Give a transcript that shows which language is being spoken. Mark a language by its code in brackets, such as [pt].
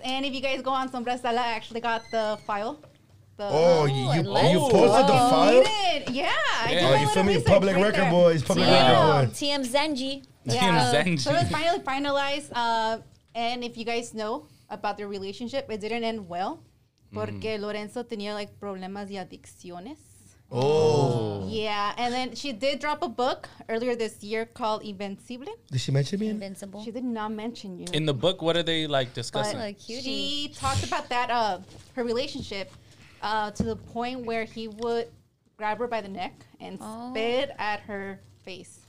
[en] And if you guys go on Sombra Sala, I actually got the file. You posted the file? Yeah. Oh, you feel me? Public record, right, boys. Public record, boys. TM Zenji. So it was finally finalized. And if you guys know about their relationship, it didn't end well. [es] Porque Lorenzo tenía, [en] like, [es] problemas y adicciones. [en] Oh. Yeah. And then she did drop a book earlier this year called Invencible. Did she mention me? Invincible. She did not mention you. In the book, what are they, like, discussing? But, cutie. She talked about that, her relationship. To the point where he would grab her by the neck and spit at her face.